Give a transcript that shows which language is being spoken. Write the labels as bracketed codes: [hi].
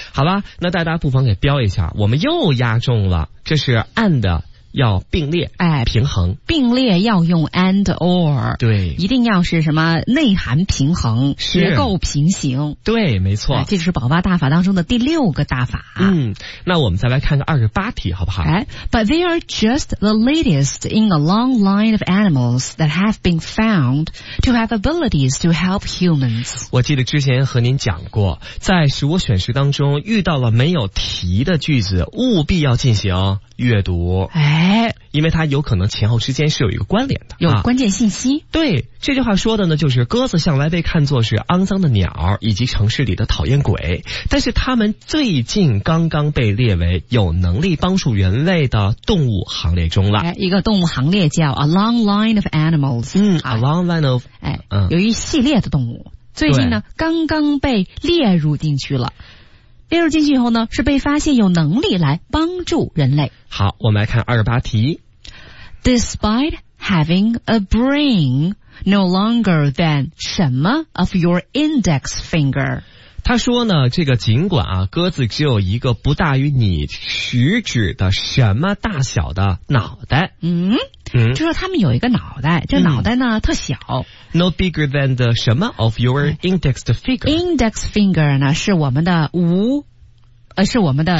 [zh] 好吧，那大家不妨给标一下，我们又押中了，这是 and 要并列，哎，平衡，并列要用 and or，对，一定要是什么内涵平衡，是结构平行。对，没错、这就是宝爸大法当中的第六个大法。那我们再来看个28题好不好。 [en] 哎， but they are just the latest in a long line of animals that have been found to have abilities to help humans。 [zh] 我记得之前和您讲过，在食物选食当中遇到了没有题的句子，务必要进行阅读。哎，哎，因为它有可能前后之间是有一个关联的，有关键信息、啊、对，这句话说的呢就是鸽子向来被看作是肮脏的鸟以及城市里的讨厌鬼，但是它们最近刚刚被列为有能力帮助人类的动物行列中了、哎、一个动物行列叫 [en] A long line of animals、嗯啊、A long line of、 [zh] 哎、有一系列的动物最近呢刚刚被列入进去了，列入进去以后呢是被发现有能力来帮助人类。好，我们来看28题。 [en] Despite having a brain no longer than [zh] 什么 [en] of your index finger， [zh] 他说呢这个尽管啊鸽子只有一个不大于你食指的什么大小的脑袋，嗯，就说他们有一个脑袋，这脑袋呢、嗯、特小。 [en] No bigger than the [zh] 什么 [en] of your indexed finger。 [zh] Index finger 呢是我们的无，是我们的